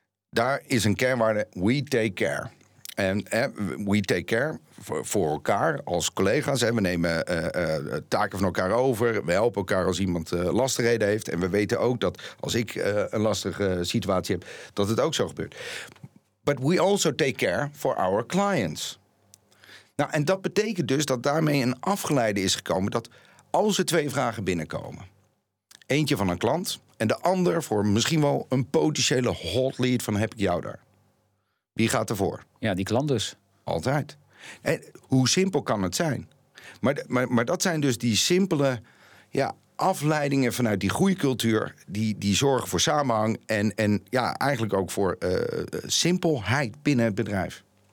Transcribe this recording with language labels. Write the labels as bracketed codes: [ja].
[nl] Daar is een kernwaarde, [en] we take care. [nl] En we take care voor elkaar als collega's. Hè. We nemen taken van elkaar over. We helpen elkaar als iemand lastigheden heeft. En we weten ook dat als ik een lastige situatie heb, dat het ook zo gebeurt. [en] But we also take care for our clients. [nl] Nou, en dat betekent dus dat daarmee een afgeleide is gekomen dat als er twee vragen binnenkomen, eentje van een klant en de ander voor misschien wel een potentiële hot lead van heb ik jou daar. Wie gaat ervoor? Ja, die klant dus. Altijd. En hoe simpel kan het zijn? Maar dat zijn dus die simpele afleidingen vanuit die groeicultuur die zorgen voor samenhang en eigenlijk ook voor simpelheid binnen het bedrijf.